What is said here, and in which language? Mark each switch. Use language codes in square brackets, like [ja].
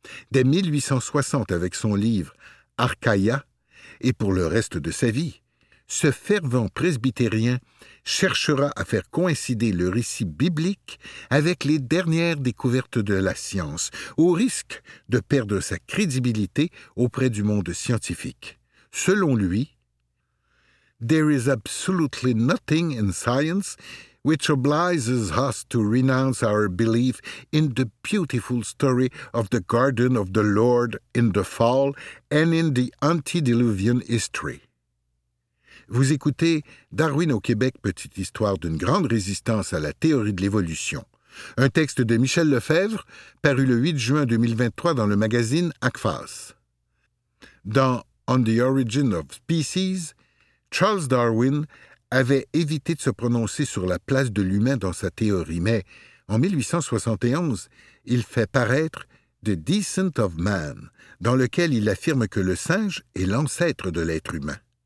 [fr] Dès 1860, avec son livre « Archaïa », et pour le reste de sa vie, ce fervent presbytérien cherchera à faire coïncider le récit biblique avec les dernières découvertes de la science, au risque de perdre sa crédibilité auprès du monde scientifique. Selon lui, [en] « There is absolutely nothing in science which obliges us to renounce our belief in the beautiful story of the garden of the Lord in the fall and in the antediluvian history. » [fr] Vous écoutez Darwin au Québec, petite histoire d'une grande résistance à la théorie de l'évolution. Un texte de Michel Lefebvre, paru le 8 juin 2023 dans le magazine ACFAS. Dans On the Origin of Species, Charles Darwin avait évité de se prononcer sur la place de l'humain dans sa théorie, mais en 1871, il fait paraître The Descent of Man, dans lequel il affirme que le singe est l'ancêtre de l'être humain.